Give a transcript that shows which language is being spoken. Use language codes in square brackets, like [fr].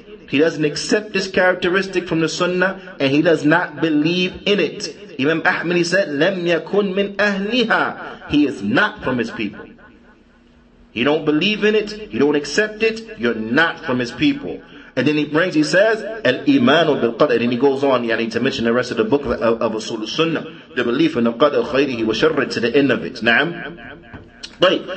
[en] He doesn't accept this characteristic from the Sunnah, and he does not believe in it. [ar] Imam Ahmad, [en] he said, [ar] لم يكن من أهلها. [en] He is not from his people. You don't believe in it, you don't accept it, you're not from his people. And then he says, Al-Imanu bil Qadr. And he goes on, yani, to mention the rest of the book of Usul Sunnah, the belief in the Qadr khayrihi wa sharri, to the end of it. Na'am. Right.